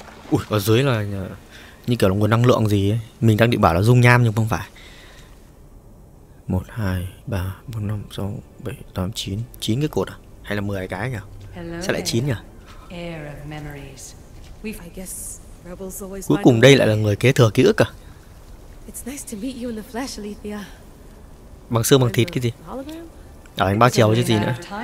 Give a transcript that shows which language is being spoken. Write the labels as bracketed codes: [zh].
[vi] Ui, ở dưới là như kiểu là nguồn năng lượng gì ấy. Mình đang định bảo là dung nham nhưng không phải. 1, 2, 3, 4, 5, 6, 7, 8, 9. 9 cái cột à. hay là 10 cái nhỉ? [en] Hello, [vi] sao lại 9 nhỉ? [en] Air of memories. I guess rebels always. [vi] Cuối cùng đây lại là người kế thừa ký ức à? [en] It's nice to meet you in the flesh, Alethea. [vi] Bằng xương bằng thịt cái gì? Ở anh bao chiều chứ gì nữa.